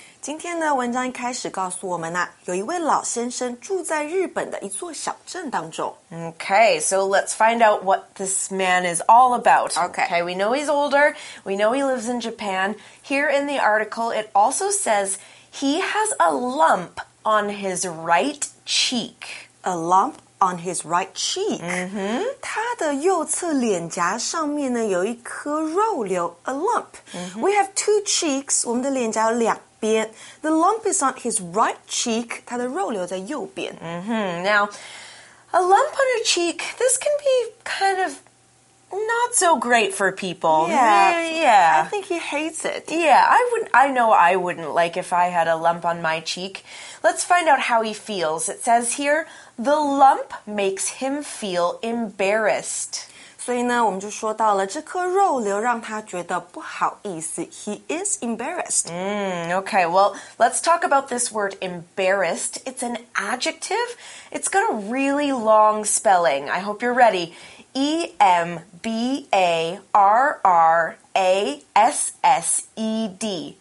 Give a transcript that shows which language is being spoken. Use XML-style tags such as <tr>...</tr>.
<zh>今天呢，文章一开始告诉我们呢，有一位老先生住在日本的一座小镇当中。</zh> <en>Okay, so let's find out what this man is all about. Okay. Okay, we know he's older, we know he lives in Japan. Here in the article, it also says he has a lump on his right cheek. A lump on his right cheek. Mm-hmm.</en> <zh>他的右侧脸颊上面呢，有一颗肉瘤 a lump.</zh> <en>Mm-hmm. We have two cheeks, 我们的脸颊有两 The lump is on his right cheek, 他的肉瘤在右边。 Mm-hmm. Now, a lump on a cheek, this can be kind of not so great for people. Yeah. I think he hates it. Yeah, I know I wouldn't like if I had a lump on my cheek. Let's find out how he feels. It says here, the lump makes him feel embarrassed.</en> <zh>所以呢，我们就说到了这颗肉瘤让他觉得不好意思。</zh> <en>He is embarrassed. Okay, well, let's talk about this word embarrassed. It's an adjective. It's got a really long spelling. I hope you're ready. E-M-B-A-R-R-A-S-S-E-D.</en>